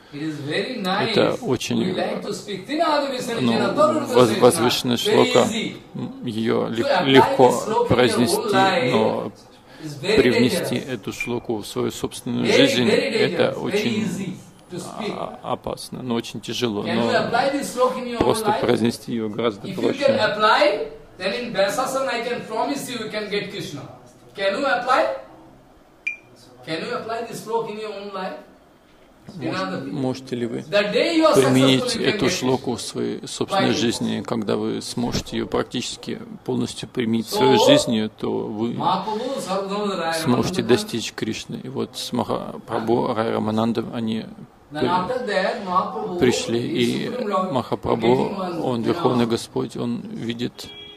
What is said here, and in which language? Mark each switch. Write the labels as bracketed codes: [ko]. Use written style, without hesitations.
[ru] Это очень возвышенная шлока, ее легко произнести, но привнести эту шлоку в свою собственную жизнь, это очень опасно, но очень тяжело, но просто произнести ее гораздо проще. [en] Can you apply this slok in your own life? [ru] можете ли вы применить эту шлоку в своей собственной жизни, когда вы сможете ее практически полностью применить в своей жизни, то вы сможете достичь Кришны. И вот с Махапрабху Рай Рамананда они пришли, и Махапрабху, он Верховный Господь, он видит,